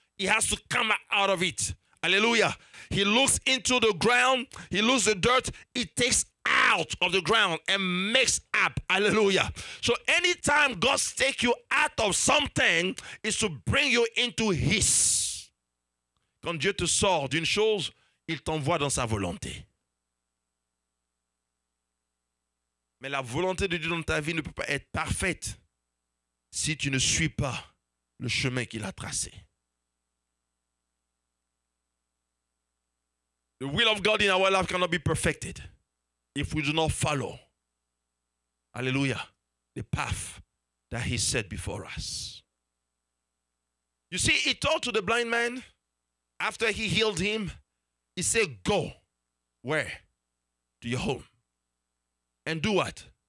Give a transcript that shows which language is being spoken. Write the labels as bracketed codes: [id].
[en] He has to come out of it. Hallelujah. He looks into the ground. He looks the dirt. He takes out of the ground and makes up. Hallelujah. So anytime God takes you out of something, is to bring you into his. [fr] Quand Dieu te sort d'une chose, il t'envoie dans sa volonté. Mais la volonté de Dieu dans ta vie ne peut pas être parfaite si tu ne suis pas le chemin qu'il a tracé. [en] The will of God in our life cannot be perfected if we do not follow, hallelujah, the path that he set before us. You see, he told to the blind man, after he healed him, he said, go, where? To your home. And do what?